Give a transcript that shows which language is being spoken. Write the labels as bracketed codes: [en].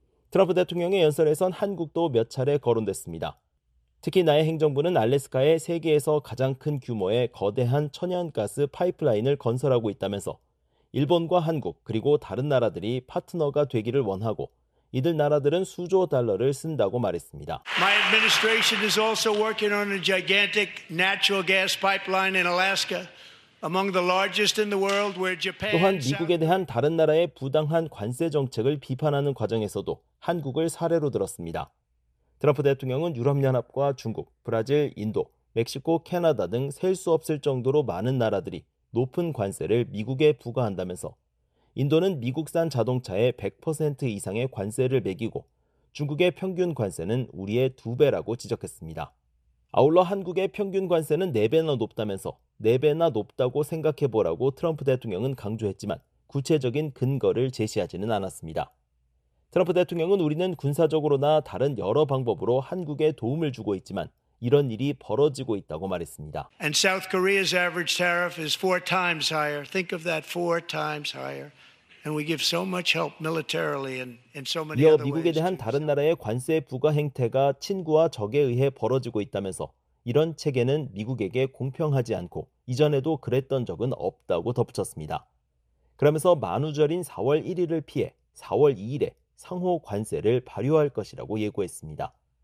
[ko] 트럼프 대통령의 연설에선 한국도 몇 차례 거론됐습니다. 특히 나의 행정부는 알래스카에 세계에서 가장 큰 규모의 거대한 천연가스 파이프라인을 건설하고 있다면서 일본과 한국 그리고 다른 나라들이 파트너가 되기를 원하고 이들 나라들은 수조 달러를 쓴다고 말했습니다. [en] My administration is also working on a gigantic natural gas pipeline in Alaska, among the largest in the world, where Japan. [ko] 또한 미국에 대한 다른 나라의 부당한 관세 정책을 비판하는 과정에서도 한국을 사례로 들었습니다. 트럼프 대통령은 유럽연합과 중국, 브라질, 인도, 멕시코, 캐나다 등 셀 수 없을 정도로 많은 나라들이 높은 관세를 미국에 부과한다면서 인도는 미국산 자동차에 100% 이상의 관세를 매기고 중국의 평균 관세는 우리의 두 배라고 지적했습니다. 아울러 한국의 평균 관세는 네 배나 높다면서 네 배나 높다고 생각해보라고 트럼프 대통령은 강조했지만 구체적인 근거를 제시하지는 않았습니다. 트럼프 대통령은 우리는 군사적으로나 다른 여러 방법으로 한국에 도움을 주고 있지만 이런 일이 벌어지고 있다고 말했습니다. [en] And South Korea's average tariff is four times higher. Think of that, four times higher. And we give so much help militarily and in so many other ways. [ko] 미국에 대한 다른 나라의 관세 부과 행태가 친구와 적에 의해 벌어지고 있다면서 이런 체계는 미국에게 공평하지 않고 이전에도 그랬던 적은 없다고 덧붙였습니다. 그러면서 만우절인 4월 1일을 피해 4월 2일에 상호 관세를 발효할 것이라고 예고했습니다.